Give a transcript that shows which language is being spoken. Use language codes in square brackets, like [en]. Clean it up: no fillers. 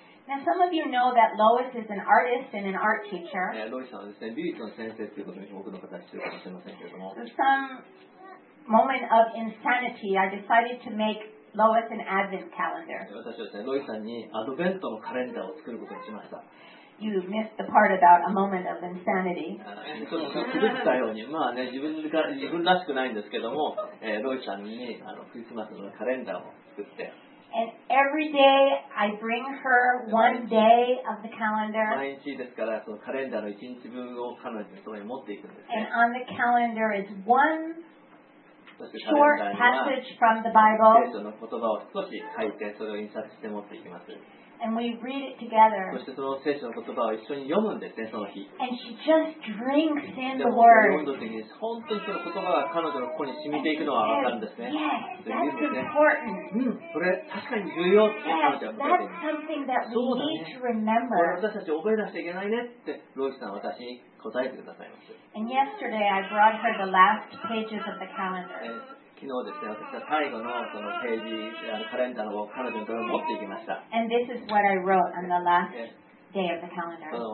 [en] Now some of you know that Lois is an artist and an art teacher. Lois is a [ja] 美術の先生ということを多くの方は知っているかもしれませんけれども。 [en] So some moment of insanity, I decided to make Lois an advent calendar. [ja] 私はですね、ロイさんにアドベントのカレンダーを作ることにしました。 [en] You missed the part about a moment of insanity. [ja] ちょっと狂ったように、まあね、自分らしくないんですけども、ロイさんにクリスマスのカレンダーを作って。 [en] And every day I bring her one day of the calendar. [ja] 毎日ですから、そのカレンダーの一日分を彼女にそこに持っていくんですね。 [en] And on the calendar is one short passage from the Bible. [ja] 聖書の言葉を少し書いて、それを印刷して持っていきます。 [en] and we read it together. [ja] そしてその聖書の言葉を一緒に読むんですね、その日。 [en] And she just drinks in the word. [ja] 本当にその言葉が彼女の心に染みていくのは分かるんですね。 [en] Yes, yeah, that's important. [ja] うん、それ確かに重要って彼女は思っている。 [en] That's something that we need to remember. [ja] そうだね。これ私たち覚えなくちゃいけないねってロイスさんは私に答えてくださいました。 [en] And yesterday I brought her the last pages of the calendar. [ja] 昨日ですね、私は最後のそのページ、カレンダーを彼女のところに持っていきました。 [en] And this is what I wrote on the last day of the calendar.